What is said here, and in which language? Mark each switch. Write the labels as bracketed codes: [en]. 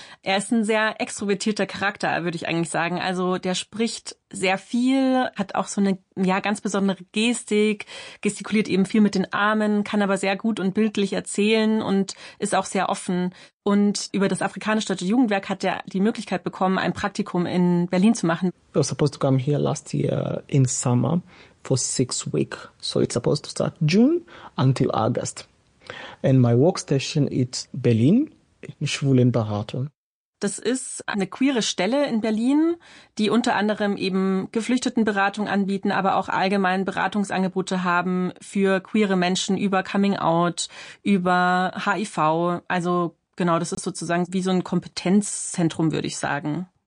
[de] Er ist ein sehr extrovertierter Charakter, würde ich eigentlich sagen. Also der spricht sehr viel, hat auch so eine ganz besondere Gestik, gestikuliert eben viel mit den Armen, kann aber sehr gut und bildlich erzählen und ist auch sehr offen. Und über das Afrikanische Deutsche Jugendwerk hat er die Möglichkeit bekommen, ein Praktikum in Berlin zu machen. [en] I was supposed to come here last year in summer for 6 weeks. So it's supposed to start June until August. And my workstation is Berlin, in Schwulenberatung. [de] Das ist eine queere Stelle in Berlin, die unter anderem eben Geflüchtetenberatung anbieten, aber auch allgemein Beratungsangebote haben für queere Menschen über Coming Out, über HIV. Also genau, das ist sozusagen wie so ein Kompetenzzentrum, würde ich sagen.